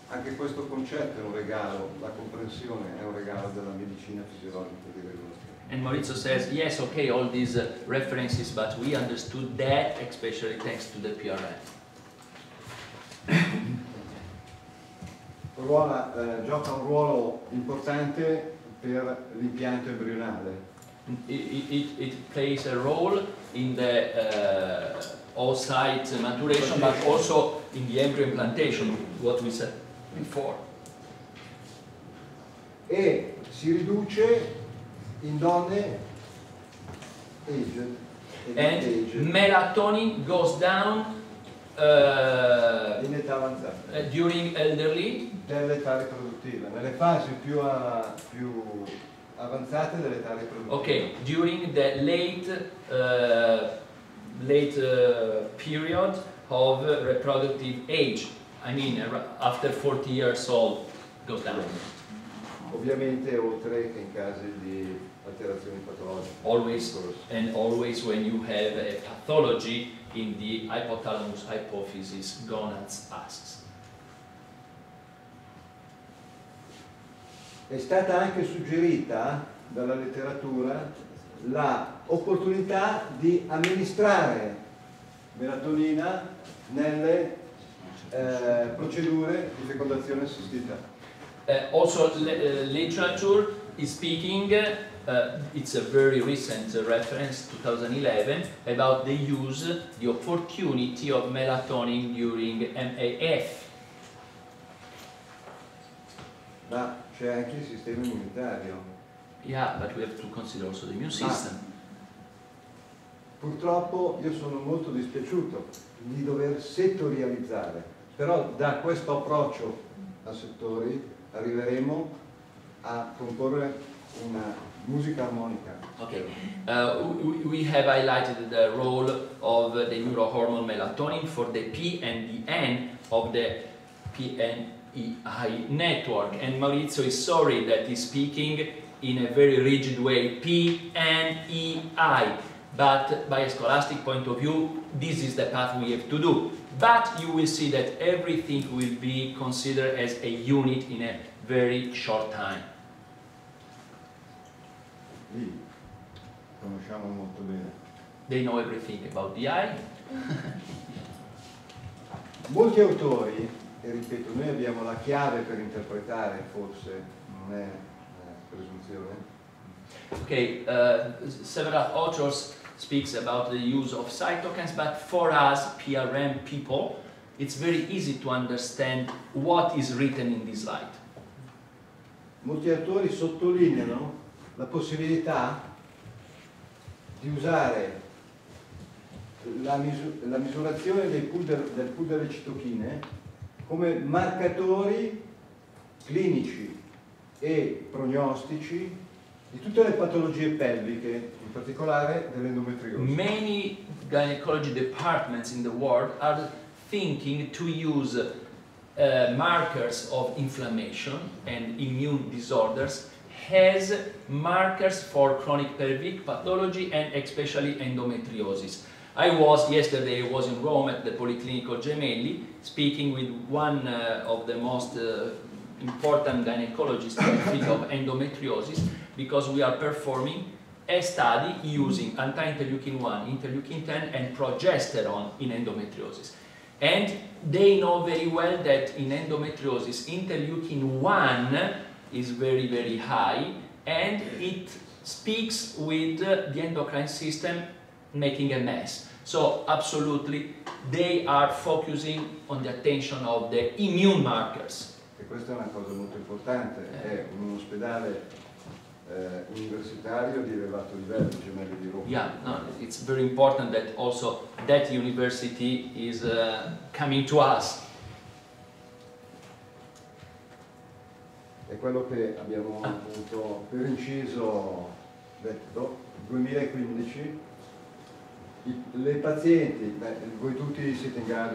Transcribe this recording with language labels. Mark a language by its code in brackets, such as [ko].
[it] Anche questo concetto è un regalo, la comprensione è un regalo della medicina fisiologica di regolazione. [en] And Maurizio says, yes, okay, all these references, but we understood that, especially thanks to the PRF. [it] Ruola, gioca un ruolo importante per l'impianto embrionale. [en] It plays a role in the oocyte maturation, but also in the embryo implantation, what we said before. [it] E si riduce in donne [en] aged. And melatonin goes down [it] in età avanzata. [en] During elderly. [it] Nell'età riproduttiva, nelle fasi più avanzate dell'età riproduttiva. [en] Okay, during the late period of reproductive age, I mean after 40 years old, goes down. [it] Ovviamente oltre che in casi di alterazioni patologiche. [en] Always, and always when you have a pathology in the hypothalamus, hypophysis, gonads, asks. [it] È stata anche suggerita dalla letteratura la opportunità di amministrare melatonina nelle procedure di fecondazione assistita. [en] Also literature is speaking, it's a very recent reference, 2011, about the use, the opportunity of melatonin during MAF. [it] Ma c'è anche il sistema immunitario. [en] Yeah, but we have to consider also the immune system. [it] Purtroppo io sono molto dispiaciuto di dover settorializzare, però da questo approccio a settori arriveremo a comporre una musica armonica. [en] Okay. We have highlighted the role of the neurohormone melatonin for the P and the N of the PNEI network. And Maurizio is sorry that he's speaking in a very rigid way, PNEI. But by a scholastic point of view, this is the path we have to do. But you will see that everything will be considered as a unit in a very short time. Lì, conosciamo molto bene. They know everything about the eye. Molti autori, e ripeto, noi abbiamo la chiave per interpretare, forse non è presunzione. Okay, several authors speaks about the use of cytokines, but for us PRM people, it's very easy to understand what is written in this light. Molti autori sottolineano la possibilità di usare la misurazione del pool delle citochine come marcatori clinici e prognostici di tutte le patologie pelviche, in particolare dell'endometriosi. Many gynecology departments in the world are thinking to use markers of inflammation and immune disorders as markers for chronic pelvic pathology and especially endometriosis. Yesterday I was in Rome at the Policlinico Gemelli speaking with one of the most important gynecologists in the field of endometriosis, because we are performing a study using anti-interleukin 1, interleukin 10 and progesterone in endometriosis. And they know very well that in endometriosis, interleukin 1 is very, very high, and it speaks with the endocrine system making a mess. So absolutely, they are focusing on the attention of the immune markers. [it] E questa è una cosa molto importante. È un ospedale universitario di elevato livello, gemelli di Roma. [en] Yeah, no, it's very important that also that university is coming to us. [it] È quello che abbiamo appunto per inciso detto 2015. Le pazienti, beh, voi tutti siete in grado